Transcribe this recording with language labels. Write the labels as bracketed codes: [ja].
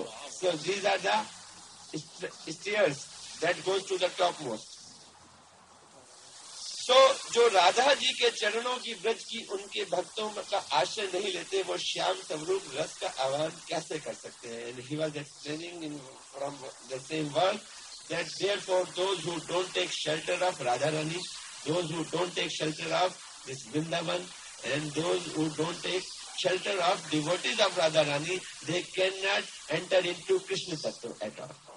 [en] So these are the stairs that goes to the topmost. [hi] So, जो राधा जी के चरणों की ब्रज की उनके भक्तों का आश्रय नहीं लेते वो श्याम स्वरूप रस का आह्वान कैसे कर सकते हैं? [en] And he was explaining in from the same word that therefore those who don't take shelter of Radharani, those who don't take shelter of this Vrindavan, and those who don't take shelter of devotees of Radharani, they cannot enter into Krishna Tattva at all.